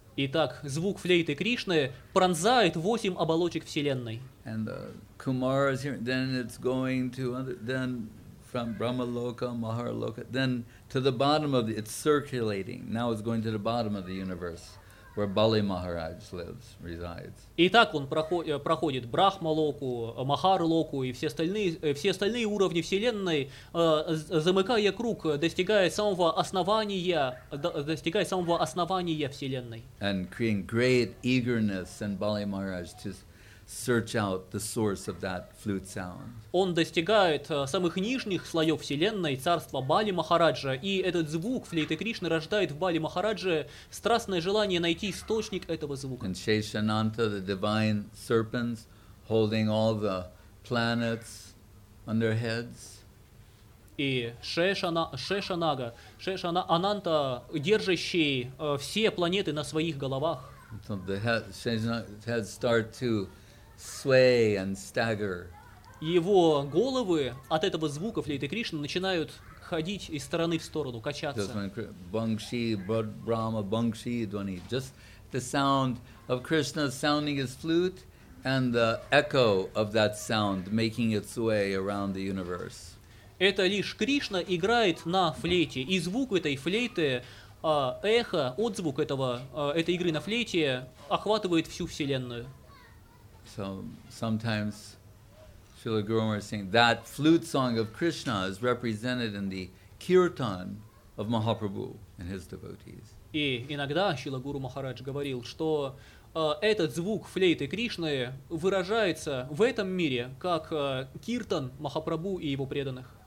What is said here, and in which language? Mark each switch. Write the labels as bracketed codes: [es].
[ru] Итак, звук флейты Кришны пронзает 8 оболочек вселенной. [en] And the Kumara is here, then it's going to other, then from Brahmaloka, Maharloka, then to the bottom of the, it's circulating. Now it's going to the bottom of the universe, where Bali Maharaj lives, resides. [ru] И так он проходит Брахмалоку, Махарлоку и все остальные уровни вселенной, замыкая круг, достигая самого основания вселенной. [en] And creating great eagerness in Bali Maharaj to search out the source of that flute sound. [ru] Он достигает самых нижних слоев вселенной, царства Бали Махараджа, и этот звук флейты Кришны рождает в Бали Махараджа страстное желание найти источник этого звука. [en] And Sheshananta, the divine serpents, holding all the planets on their heads. [ru] И Шешананта, держащий все планеты на своих головах. [en] So the heads start to sway and stagger. [ru] Его головы от этого звука флейты Кришны начинают ходить из стороны в сторону, качаться. Bangshi, Brahma, Bangshi, Dwani. [en] Just the sound of Krishna sounding his flute and the echo of that sound making its way around the universe. [ru] Это лишь Кришна играет на флейте, и звук этой флейты, эхо, отзвук этой игры на флейте охватывает всю вселенную. [en] So sometimes Srila Guru Maharaj is saying that flute song of Krishna is represented in the kirtan of Mahaprabhu and his devotees. [ru] И иногда Шрила Гуру Махарадж говорил, что этот звук флейты Кришны выражается в этом мире как киртан Махапрабху и его преданных.